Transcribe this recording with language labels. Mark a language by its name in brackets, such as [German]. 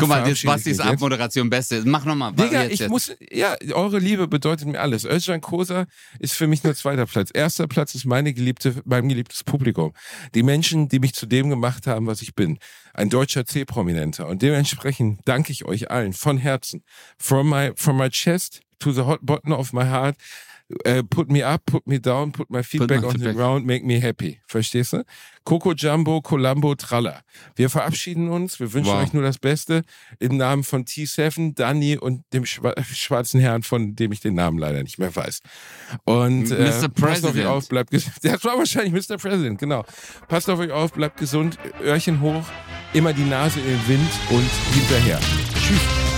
[German] guck mal, das Bastis Abmoderation beste. Mach nochmal. Digga, eure Liebe bedeutet mir alles. Özcan Kosa ist für mich nur zweiter Platz. Erster Platz ist mein geliebtes Publikum. Die Menschen, die mich zu dem gemacht haben, was ich bin. Ein deutscher C-Prominenter. Und dementsprechend danke ich euch allen von Herzen. [English] From my chest to the hot button of my heart. Put me up, put me down, put my feedback on the ground, make me happy. [German] Verstehst du? Coco Jumbo, Columbo, Tralla. Wir verabschieden uns, wir wünschen euch nur das Beste. Im Namen von T7, Danny und dem schwarzen Herrn, von dem ich den Namen leider nicht mehr weiß. Und Mr. President. Passt auf euch auf, bleibt gesund. Das war wahrscheinlich Mr. President, genau. Passt auf euch auf, bleibt gesund, Öhrchen hoch, immer die Nase im Wind und hinterher. Tschüss.